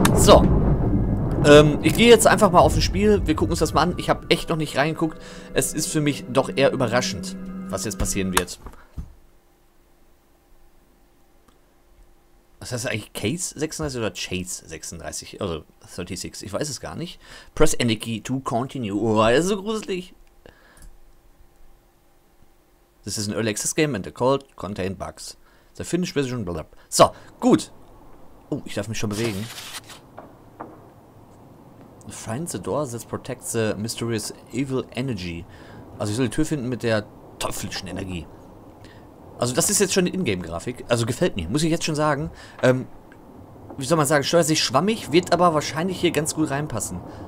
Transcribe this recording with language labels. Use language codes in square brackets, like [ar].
[de] So, ich gehe jetzt einfach mal auf ein Spiel. Wir gucken uns das mal an. Ich habe echt noch nicht reingeguckt. Es ist für mich doch eher überraschend, was jetzt passieren wird. Was heißt eigentlich Case 36 oder Chase 36? Also 36, ich weiß es gar nicht. [en] Press any key to continue. [de] Oh, das ist so gruselig. [en] This is an early access game and the code contained bugs. The finished version, blablab. So, gut. [de] Oh, ich darf mich schon bewegen. [en] Find the door that protects the mysterious evil energy. [de] Also ich soll die Tür finden mit der teuflischen Energie. Also das ist jetzt schon eine Ingame-Grafik. Also gefällt mir, muss ich jetzt schon sagen. Wie soll man sagen, steuert sich schwammig, wird aber wahrscheinlich hier ganz gut reinpassen.